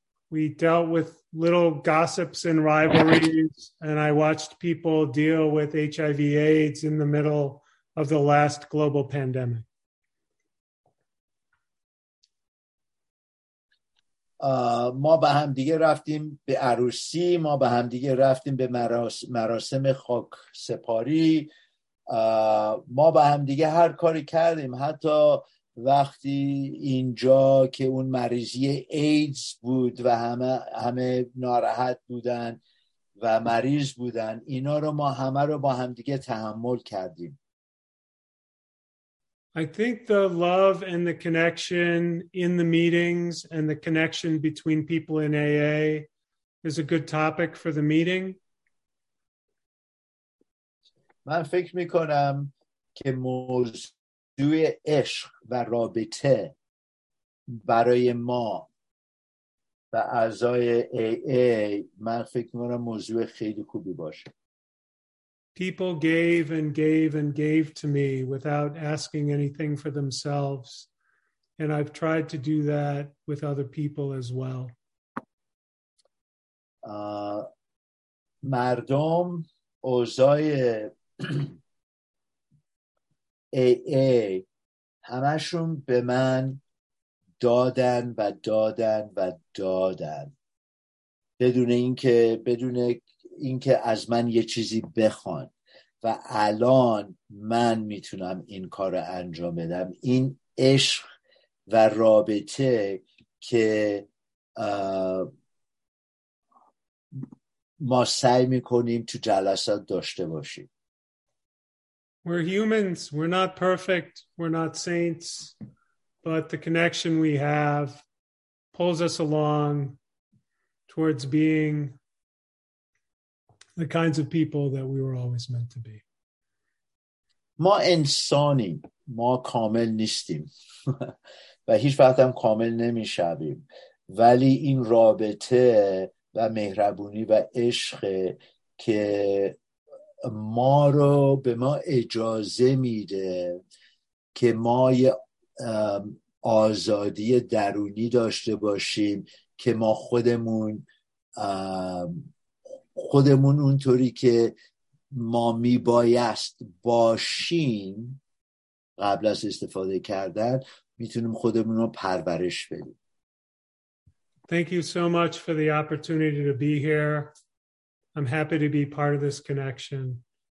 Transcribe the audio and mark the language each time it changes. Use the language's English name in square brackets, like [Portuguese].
[English] We dealt with little gossips and rivalries and I watched people deal with HIV/AIDS in the middle of the last global pandemic. [Persian] ما به هم دیگه رفتیم به عروسی ما به هم دیگه رفتیم به مراسم خاک سپاری ما به هم دیگه هر کاری کردیم حتی وقتی اینجا که اون مریضی ایدز بود و همه ناراحت بودن و مریض بودن اینا رو ما همه رو با هم دیگه تحمل کردیم. [English] I think the love and the connection in the meetings and the connection between people in AA is a good topic for the meeting. [Persian] من فکر می‌کنم که موضوع عشق و رابطه برای ما و اعضای AA من فکر می‌کنم موضوع خیلی خوبی باشه. [English] People gave and gave and gave to me without asking anything for themselves. And I've tried to do that with other people as well. [Persian] مردم اوزای AA همشون به من دادن و دادن و دادن بدون اینکه از من یه چیزی بخوان و الان من میتونم این کار رو انجام بدم. این عشق و رابطه که ما سعی میکنیم تو جلسات داشته باشیم. [English] We're humans, we're not perfect, we're not saints, but the connection we have pulls us along towards being the kinds of people that we were always meant to be. [Persian] ما انسانی، ما کامل نیستیم و هیچ وقت هم کامل نمیشویم. ولی این رابطه و مهربونی و عشق که ما رو به ما اجازه میده که ما یه آزادی درونی داشته باشیم که ما خودمون اونطوری که ما میبایست باشیم قبل از استفاده کردن میتونیم خودمون رو پرورش بدیم. [English] Thank you so much for the opportunity to be here. I'm happy to be part of this connection.